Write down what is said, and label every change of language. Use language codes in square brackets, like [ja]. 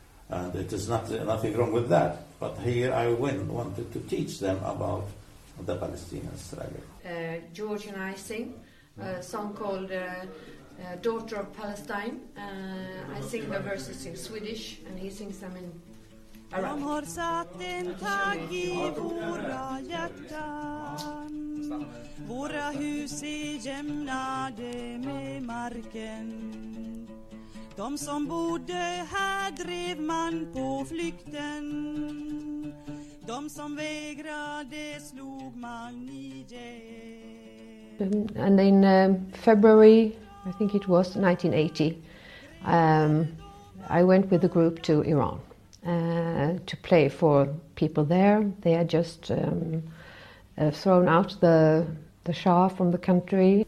[en] And it is nothing wrong with that. But here I wanted to teach them about the Palestinian struggle. George and I sing a song called Daughter of Palestine. I sing the verses in Swedish and he sings them in [sv] De har satt en tagg i våra hjärtan. Våra hus är jämnade med marken. De som bodde här drev man på flykten. De som vägrade slog man i hjärtan. [en] And in February, I think it was 1980, I went with the group to Iran. To play for people there. They had just thrown out the Shah from the country.